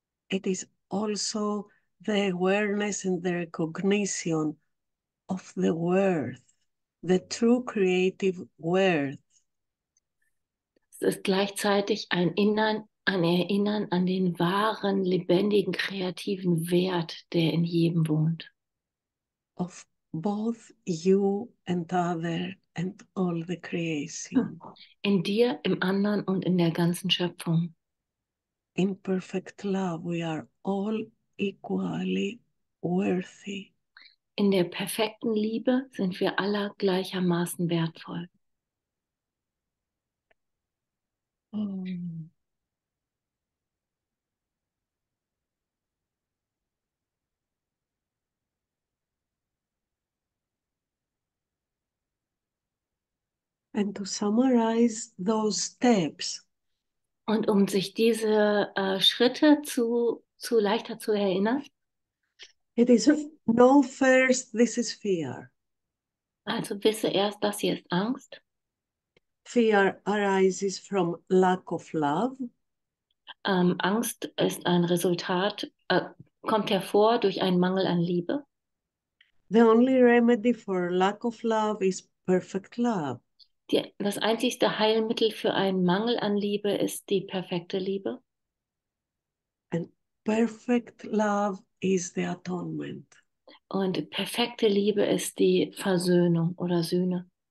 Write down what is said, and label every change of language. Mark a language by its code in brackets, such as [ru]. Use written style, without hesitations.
[en] It is also the awareness and the recognition of the worth, the true creative worth. [de] Es ist gleichzeitig ein Erinnern an den wahren, lebendigen, kreativen Wert, der in jedem wohnt. [en] Of both you and other and all the creation. [de] In dir, im anderen und in der ganzen Schöpfung. [en] In perfect love, we are all equally worthy. [de] In der perfekten Liebe sind wir alle gleichermaßen wertvoll. [en] And to summarize those steps. [de] Und um sich diese Schritte zu leichter zu erinnern. [en] It is no first, this is fear. [de] Also wisse erst, das hier ist Angst. [en] Fear arises from lack of love. [de] Angst ist ein Resultat, kommt hervor durch einen Mangel an Liebe. [en] The only remedy for lack of love is perfect love. [de] Das einzigste Heilmittel für einen Mangel an Liebe ist die perfekte Liebe. [en] And perfect love is the atonement. [de] Und perfekte Liebe ist die Versöhnung oder Sühne.